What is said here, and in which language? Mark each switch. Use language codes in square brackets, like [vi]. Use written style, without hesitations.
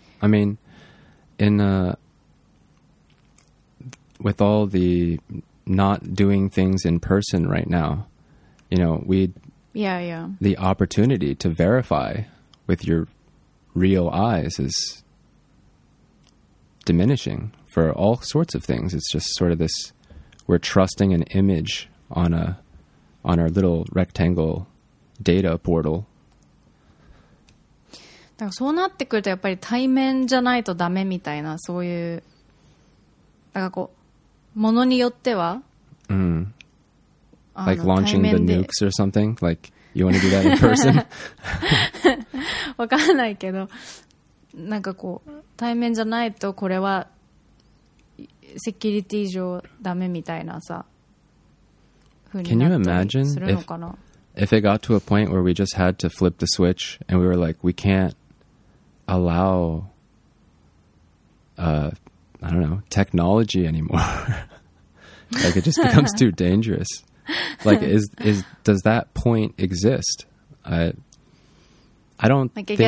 [en] I mean, with all the not doing things in person right now, you know, the opportunity to verify with your real eyes is diminishing for all sorts of things. It's just sort of this, we're trusting an image on our little rectangle data portal. [ja] だからそうなってくるとやっぱり対面じゃないとダメみたいな、そういうだからこうものによっては、 [en] mm. Like launching the nukes or something? Like you want to do that in person? [ja] わかんないけど、なんかこう対面じゃないとこれはセキュリティ上ダメみたいなさ。 [en] Can you imagine if it got to a point where we just had to flip the switch and we were like, we can't allow, I don't know, technology anymore. Like, it just becomes too dangerous. Like, does that point exist? I don't think it does.